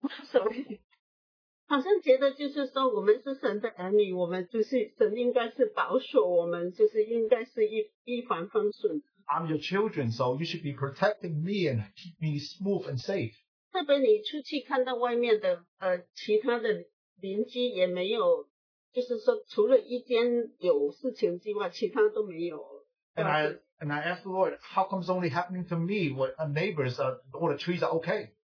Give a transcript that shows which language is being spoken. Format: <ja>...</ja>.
<en>Sorry,</en> <zh>好像觉得就是说我们是神的儿女，我们就是神应该是保守我们，就是应该是一帆风顺。</zh> <en>I'm your children, so you should be protecting me and keep me smooth and safe.</en> <zh>特别你出去看到外面的其他的邻居也没有，就是说除了一间有事情之外，其他都没有。</zh> <en>And I And I asked the Lord, how come it's only happening to me when our neighbors, all the trees are okay?</en>